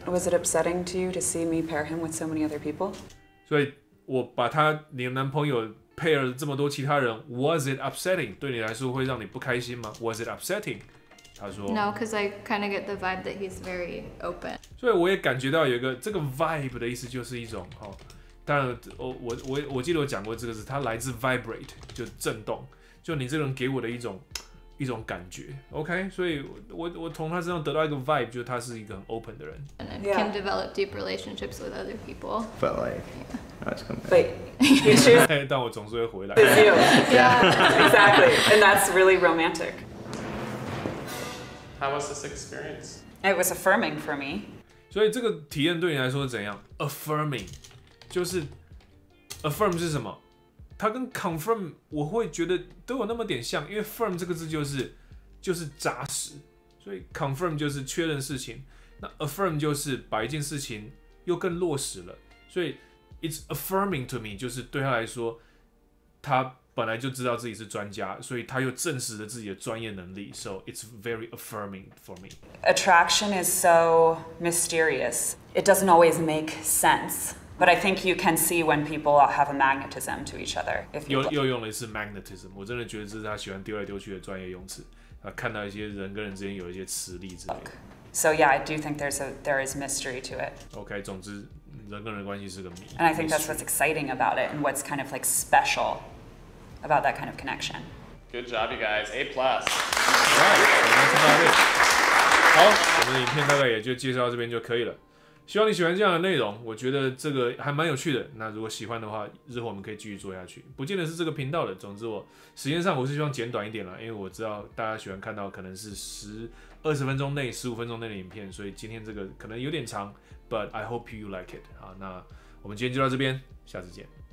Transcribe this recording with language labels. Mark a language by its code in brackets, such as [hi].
[en] Was it upsetting to you to see me pair him with so many other people? [zh] 所以我把他你男朋友 pair 这么多其他人 ， [en] Was it upsetting? [zh] 对你来说会让你不开心吗 ？ [en] Was it upsetting? [zh] 他说 [en] ，No, because I kind of get the vibe that he's very open. [zh] 所以我也感觉到有一个这个 vibe 的意思就是一种哦，当然我记得我讲过这个字，它来自 vibrate 就震动，就你这个人给我的一种感觉 ，OK， 所以我从他身上得到一个 vibe， 就是他是一个很 open 的人。 [en] And can develop deep relationships with other people. But like, I just come back. Wait, you [zh] should. 但我总是会回来。 [en] It's you. Yeah. Exactly. And that's really romantic. How was this experience? It was affirming for me. [zh] 所以这个体验对你来说是怎样 ？Affirming， 就是 affirm 是什么？它跟 confirm 我会觉得都有那么点像，因为 firm 这个字就是扎实，所以 confirm 就是确认事情，那 affirm 就是把一件事情又更落实了，所以 [en] it's affirming to me [zh] 就是对他来说，他本来就知道自己是专家，所以他又证实了自己的专业能力 ， [en] so it's very affirming for me. Attraction is so mysterious. It doesn't always make sense. But I think you can see when people have a magnetism to each other. If you [zh] 又用了一次 magnetism， 我真的觉得这是他喜欢丢来丢去的专业用词。他看到一些人跟人之间有一些磁力之类的。 [en] So yeah, I do think there is mystery to it. [zh] Okay， 总之人跟人关系是个谜。 [en] And I think that's what's exciting about it, and what's kind of like special about that kind of connection. Good job, you guys. A plus. [zh] Right， 好，我们的影片大概也就介绍到这边就可以了。希望你喜欢这样的内容，我觉得这个还蛮有趣的。那如果喜欢的话，日后我们可以继续做下去，不见得是这个频道的。总之我时间上我是希望简短一点啦，因为我知道大家喜欢看到可能是20分钟内、15分钟内的影片，所以今天这个可能有点长。 [en] But I hope you like it。 [zh] 好，那我们今天就到这边，下次见。